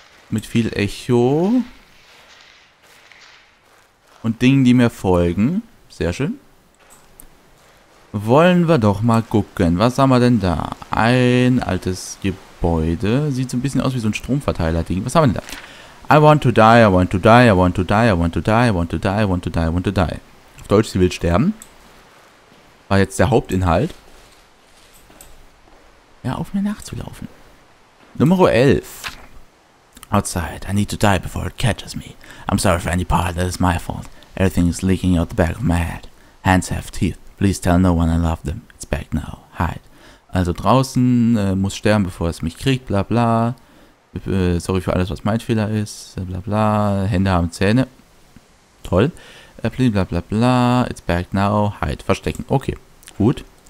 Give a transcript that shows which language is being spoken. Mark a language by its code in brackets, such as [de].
[de] Mit viel Echo. Und Dingen, die mir folgen. Sehr schön. Wollen wir doch mal gucken. Was haben wir denn da? Ein altes Gebäude. Sieht so ein bisschen aus wie so ein Stromverteiler-Ding. Was haben wir denn da? [en] I want to die, I want to die, I want to die, I want to die, I want to die, I want to die, I want to die. [de] Auf Deutsch, sie will sterben. War jetzt der Hauptinhalt. Ja, auf mir nachzulaufen. Nummer 11. [en] Outside, I need to die before it catches me. I'm sorry for any part, that is my fault. Everything is leaking out the back of my head. Hands have teeth. Please tell no one I love them. It's back now. Hide. [de] Also draußen, muss sterben, bevor es mich kriegt, bla bla. Sorry für alles, was mein Fehler ist, bla bla. Hände haben Zähne. Toll. [en] Please, bla bla bla. It's back now. Hide. [de] Verstecken. Okay, gut.